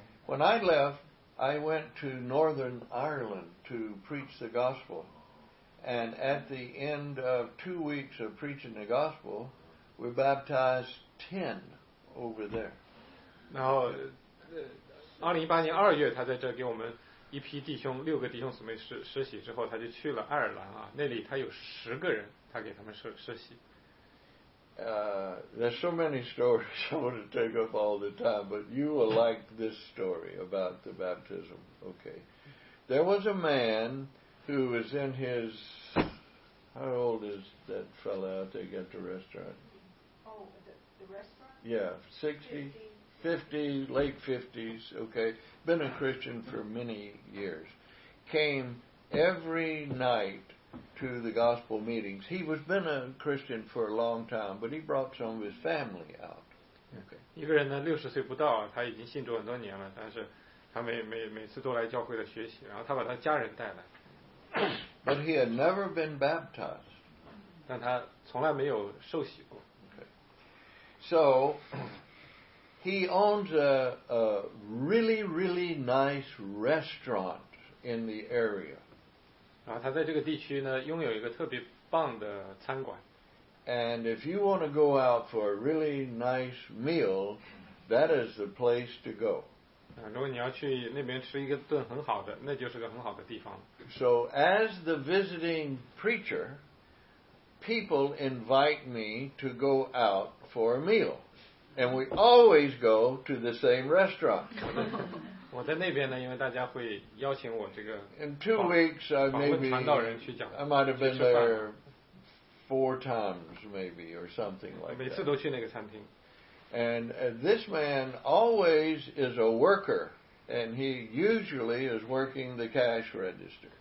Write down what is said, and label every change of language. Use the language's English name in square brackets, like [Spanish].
[English] When I left, I went to Northern Ireland to preach the gospel. And at the end of 2 weeks of preaching the gospel, we baptized 10 over there. [Chinese] 然后2018年二月他在这给我们一批弟兄六个弟兄姊妹实习之后他就去了爱尔兰啊，那里他有十个人他给他们实习。 [English] There's so many stories I want to take up all the time, but you will like this story about the baptism. Okay. There was a man who was in his, how old is that fellow out there at the restaurant? Oh, the restaurant? Yeah, 50, late 50s, okay, been a Christian for many years, came every night to the gospel meetings. He was been a Christian for a long time, but he brought some of his family out. Okay. [Chinese] 一个人呢，六十岁不到，他已经信主很多年了，但是他每次都来教会的学习，然后他把他家人带来。 [English] But he had never been baptized. [Chinese] 但他从来没有受洗过。 [English] Okay. So... He owns a really, really nice restaurant in the area. [Chinese] 然后他在这个地区呢，拥有一个特别棒的餐馆。 [English] And if you want to go out for a really nice meal, that is the place to go. [Chinese] 如果你要去那边吃一个顿很好的，那就是个很好的地方。 [English] So as the visiting preacher, people invite me to go out for a meal. And we always go to the same restaurant. [Chinese] 我在那边呢，因为大家会邀请我这个。 [English] In 2 weeks, I might have been there 4 times, maybe, or something like that. [Chinese] 每次都去那个餐厅。 [English] And this man always is a worker, and he usually is working the cash register.